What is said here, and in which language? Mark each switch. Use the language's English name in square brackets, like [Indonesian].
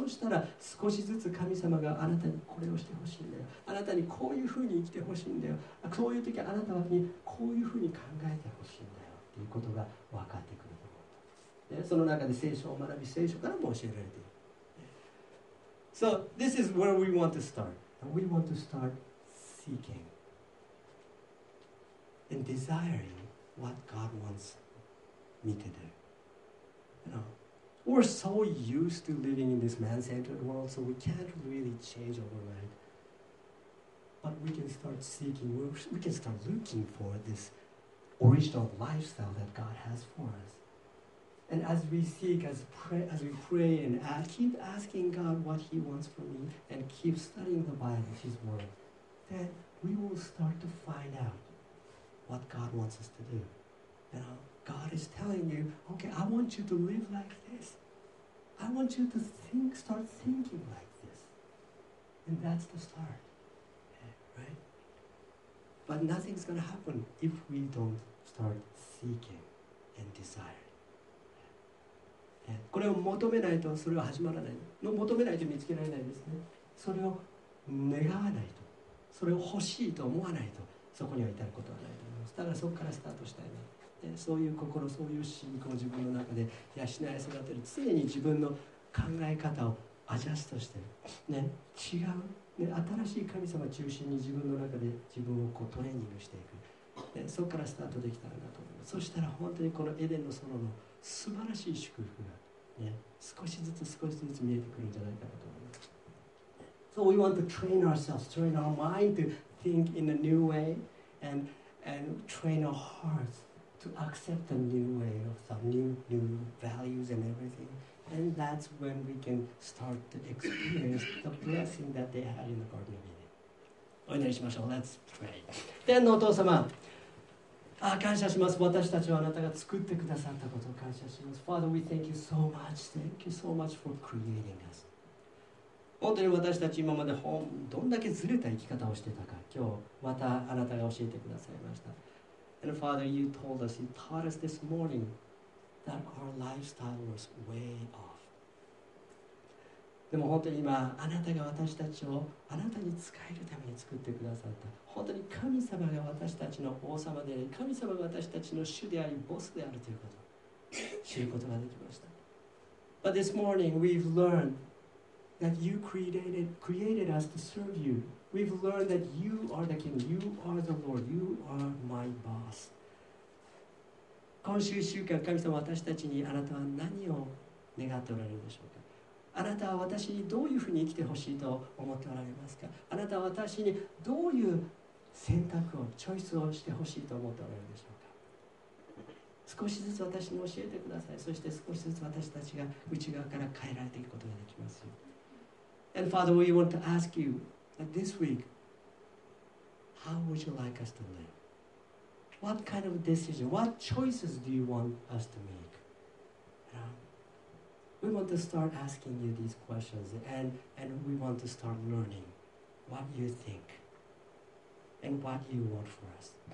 [Japanese] そうしたら少しずつ神様があなたにこれをしてほしいんだよ、あなたにこういうふうに生きてほしいんだよ、そういう時あなたにこういうふうに考えてほしいんだよということが分かってくると思う、ね、その中で聖書を学び、聖書からも教えられている。 [English] So this is where we want to start. We want to start seeking and desiring what God wants me to do. We're so used to living in this man-centered world, so we can't really change overnight. But we can start seeking, we can start looking for this original lifestyle that God has for us. And as we seek, as we pray and ask, keep asking God what He wants from me, and keep studying the Bible, His Word, then we will start to find out what God wants us to do. You know, God is telling you, okay, I want you to live like this. I want you to think, start thinking like this. And that's the start, right? But nothing's going to happen if we don't start seeking and desire. [Japanese] これを求めないとそれは始まらない。求めないと見つけられないですね。それを願わないと、それを欲しいと思わないと、そこには至ることはないと思います。だからそこからスタートしたいな。そういう心、そういう信仰を自分の中で養い育てる。常に自分の考え方をアジャストしてる、ね、違う、ね、新しい神様中心に自分の中で自分をこうトレーニングしていく、ね、そこからスタートできたらなと思います。そしたら本当にこのエデンの園の素晴らしい祝福が、ね、少しずつ少しずつ見えてくるんじゃないかなと思います。 [English] So we want to train ourselves, train our mind to think in a new way and train our hearts to accept a new way of some new values and everythingAnd that's when we can start to experience the blessing that they had in the Garden of Eden. [Japanese] お祈りしましょう。 [English] Let's pray. [Japanese] 天のお父様、感謝します。私たちはあなたが作ってくださったことを感謝します。 [English] Father, we thank you so much. Thank you so much for creating us. [Japanese] 本当に私たち今までどんだけずれた生き方をしてたか、今日またあなたが教えてくださいました。 [English] And Father, you told us, you taught us this morning. That our lifestyle was way off. [Japanese] でも本当に今あなたが私たちをあなたに仕えるために作ってくださった本当に神様が私たちの王様であり神様が私たちの主でありボスであるということを知ることができました。 [English] But this morning we've learned that you created us to serve you. We've learned that you are the king. You are the Lord. You are my boss. [Japanese] 今週1週間、神様私たちにあなたは何を願っておられるでしょうか。あなたは私にどういうふうに生きてほしいと思っておられますか。あなたは私にどういう選択を、チョイスをしてほしいと思っておられるでしょうか。少しずつ私に教えてください。そして少しずつ私たちが内側から変えられていくことができますよ。 [English] And Father, we want to ask you that this week, how would you like us to live? What kind of decision, what choices do you want us to make? We want to start asking you these questions and we want to start learning what you think and what you want for us.